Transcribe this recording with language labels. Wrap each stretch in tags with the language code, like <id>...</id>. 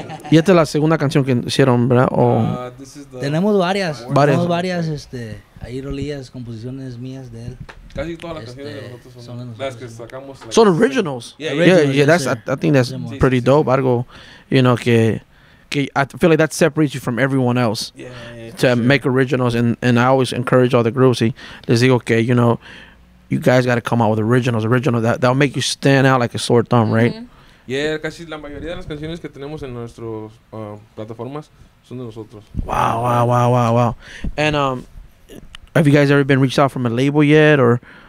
<es>Y esta es la segunda canción que hicieron, ¿verdad? Tenemos varias. Tenemos varias. Ahí rolillas, composiciones mías de él. Casi todas las canciones de nosotros son nosotros, las que sacamos. Like, son originals.</es> <en>I think that's pretty dope. Algo, you know, que I feel like that separates you from everyone else. Yeah, to make originals. And I always encourage all the groups.</en> <es>Y les digo que,</es> <en>you know, you guys got to come out with originals that'll make you stand out like a sore thumb, mm-hmm. Right?</en> <es>Yeah, casi la mayoría de las canciones que tenemos en nuestros plataformas son de nosotros.</es> <en>Wow. And have you guys ever been reached out from a label yet or?</en>